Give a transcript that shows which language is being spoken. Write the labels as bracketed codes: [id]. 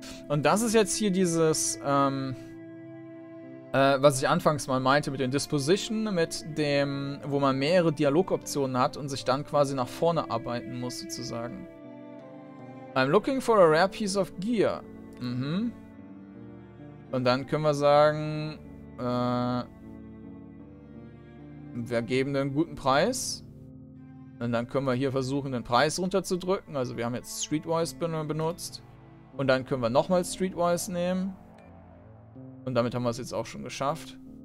[de] Und das ist jetzt hier dieses, was ich anfangs mal meinte mit den Disposition, mit dem, wo man mehrere Dialogoptionen hat und sich dann quasi nach vorne arbeiten muss, sozusagen. [en] I'm looking for a rare piece of gear. Mhm. [de] Und dann können wir sagen, wir geben einen guten Preis. Und dann können wir hier versuchen, den Preis runterzudrücken. Also wir haben jetzt Streetwise benutzt. Und dann können wir nochmal Streetwise nehmen. Und damit haben wir es jetzt auch schon geschafft.